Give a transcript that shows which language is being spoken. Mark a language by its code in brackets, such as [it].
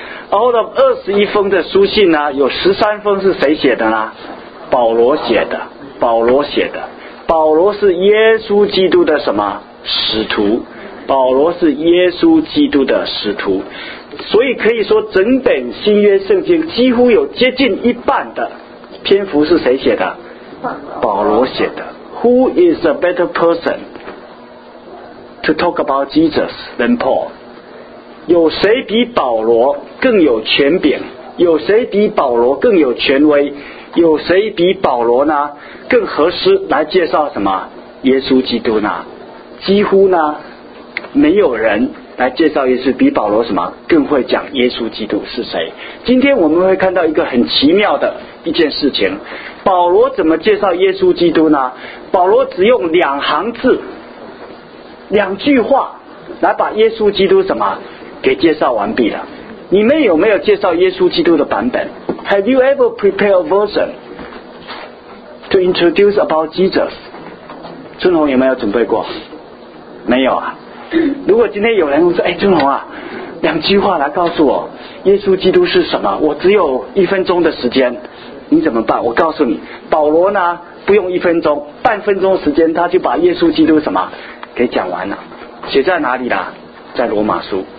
[en] all of [zh] 21封的书信呢，有13封是谁写的呢？保罗写的。保罗写的。保罗是耶稣基督的什么使徒？保罗是耶稣基督的使徒，所以可以说整本新约圣经几乎有接近一半的篇幅是谁写的？保罗写的。 [en] Who is a better person to talk about Jesus than Paul？ [zh] 有谁比保罗更有权柄？有谁比保罗更有权威？有谁比保罗呢更合适来介绍什么耶稣基督呢？几乎呢没有人来介绍耶稣比保罗什么更会讲耶稣基督是谁。今天我们会看到一个很奇妙的一件事情，保罗怎么介绍耶稣基督呢？保罗只用2行字2句话来把耶稣基督什么给介绍完毕了。你们有没有介绍耶稣基督的版本？ [en] Have you ever prepared a version to introduce about Jesus？ [zh] 春红有没有准备过？没有啊。如果今天有人说，哎，春红啊，2句话来告诉我耶稣基督是什么，我只有1分钟的时间，你怎么办？我告诉你，保罗呢不用1分钟，半分钟时间他就把耶稣基督什么给讲完了。写在哪里啦？在罗马书。